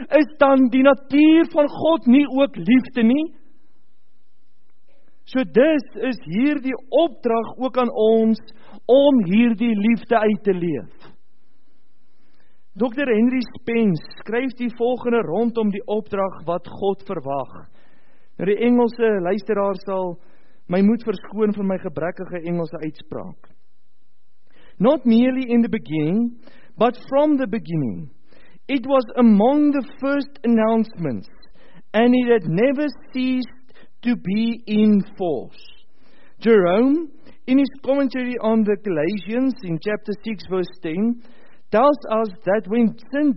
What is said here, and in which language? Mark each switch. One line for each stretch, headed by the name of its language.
Afrikaans: Is dan die natuur van God nie ook liefde nie? So dus is hierdie opdrag ook aan ons, om hierdie liefde uit te leef. Dr. Henry Spence skryf die volgende rondom die opdrag wat God verwag. Die Engelse luisteraar sal my moed verskoon vir my gebrekkige Engelse uitspraak.
English: Not merely in the beginning, but from the beginning, it was among the first announcements and it had never ceased to be in force. Jerome, in his commentary on the Galatians in chapter 6 verse 10, tells us that when St.